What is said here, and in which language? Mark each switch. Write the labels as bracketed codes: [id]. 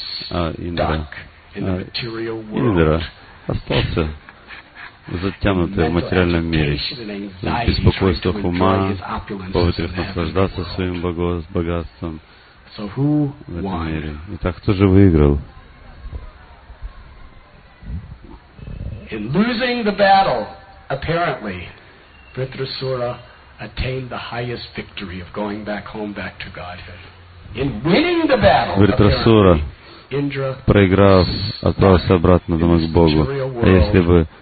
[ru] А Индра остался затянутый в материальном мире. Беспокойство ума, попытка наслаждаться своим богатством в этом мире. Итак, кто же выиграл? [en] In losing the battle, apparently, Ritrasura attained the highest victory of going back to Godhead. In winning the battle, [ru] Ритрасура, проиграв, отправился обратно домой к Богу.